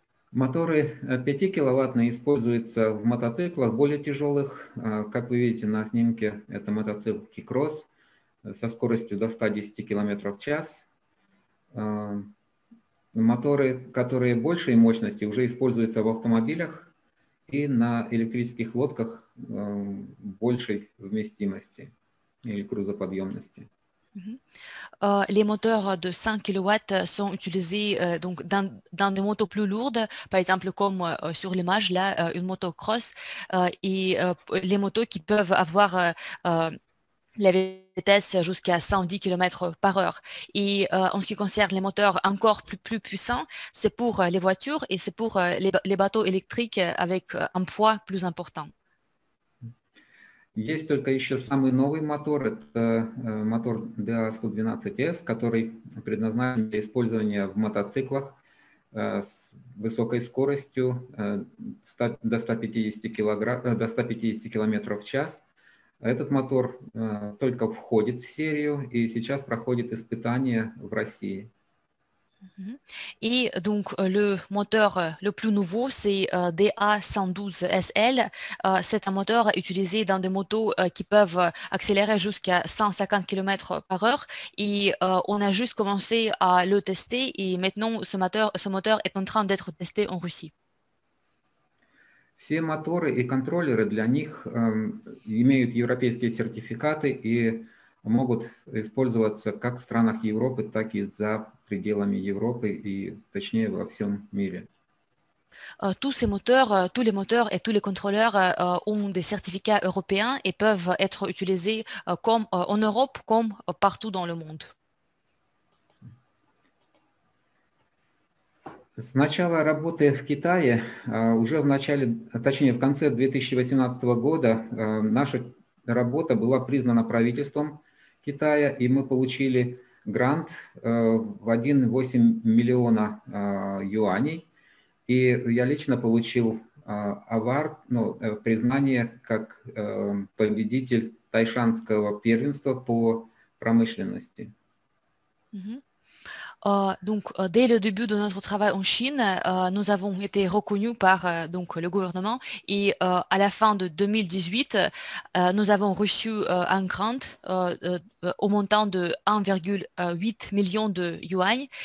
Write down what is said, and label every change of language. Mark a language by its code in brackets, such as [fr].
[ru] Моторы 5-киловаттные используются в мотоциклах более тяжелых. Как вы видите на снимке, это мотоцикл Кикросс со скоростью до 110 км в час. Моторы, которые большей мощности, уже используются в автомобилях и на электрических лодках большей вместимости или грузоподъемности. [fr] Les moteurs de 100 kW sont utilisés donc dans des motos plus lourdes, par exemple comme sur l'image là, une motocross, et les motos qui peuvent avoir la vitesse jusqu'à 110 km par heure. Et en ce qui concerne les moteurs encore plus puissants, c'est pour les voitures et c'est pour les bateaux électriques avec un poids plus important. [ru] Есть только еще самый новый мотор, это мотор DA-112S, который предназначен для использования в мотоциклах с высокой скоростью до 150 килограмм, до 150 км в час. Этот мотор только входит в серию и сейчас проходит испытания в России. [fr] Et donc le moteur le plus nouveau, c'est DA-112SL. C'est un moteur utilisé dans des motos qui peuvent accélérer jusqu'à 150 km par heure. Et on a juste commencé à le tester et maintenant ce moteur est en train d'être testé en Russie. [ru] Все моторы и контроллеры для них имеют европейские сертификаты и могут использоваться как в странах Европы, так и за пределами Европы и, точнее, во всем мире. [fr] Tous ces moteurs, tous les moteurs et tous les contrôleurs ont des certificats européens et peuvent être utilisés comme en Europe comme partout dans le monde. [ru] С начала работы в Китае, уже в начале, точнее, в конце 2018 года наша работа была признана правительством Китая, и мы получили грант в 1,8 миллиона юаней. И я лично получил признание как победитель тайшанского первенства по промышленности. [fr] Donc, dès le début de notre travail en Chine, nous avons été reconnus par le gouvernement et à la fin de 2018, nous avons reçu un grant au montant de 1,8 million de yuan.